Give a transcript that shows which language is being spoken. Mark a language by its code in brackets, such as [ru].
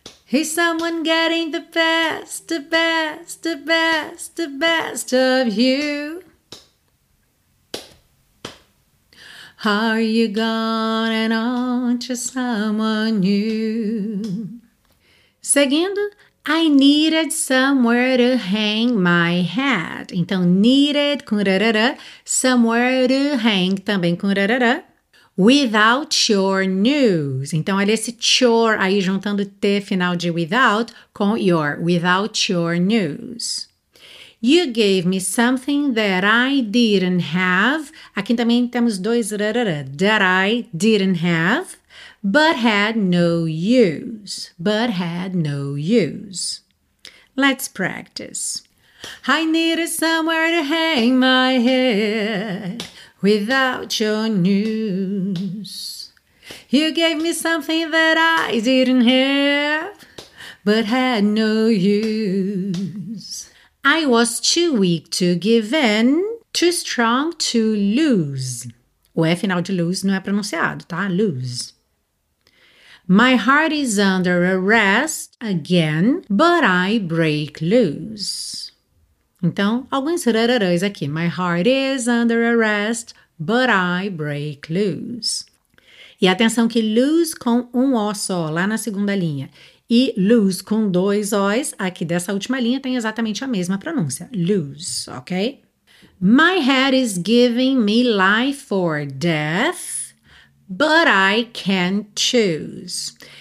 [en] Is someone getting the best, the best, the best, the best of you? Are you gone and on to someone new? [pt] Seguindo. [en] I needed somewhere to hang my hat. [pt] Então, needed com rarara, [en] somewhere to hang [pt] também com rarara. [en] Without your news. [pt] Então, olha esse your aí juntando T final de without com your. [en] Without your news. You gave me something that I didn't have. [pt] Aqui também temos dois rarara. [en] That I didn't have. But had no use. But had no use. Let's practice. I needed somewhere to hang my head without your news. You gave me something that I didn't have, but had no use. I was too weak to give in, too strong to lose. [pt] O F final de lose não é pronunciado, tá? [en] Lose. My heart is under arrest again, but I break loose. [pt] Então, alguns rararãs aqui. [en] My heart is under arrest, But I break loose. [pt] E atenção que lose com um O só, lá na segunda linha. E lose com dois O's, aqui dessa última linha, tem exatamente a mesma pronúncia. [en] Lose, ok? My head is giving me life or death, but I can choose.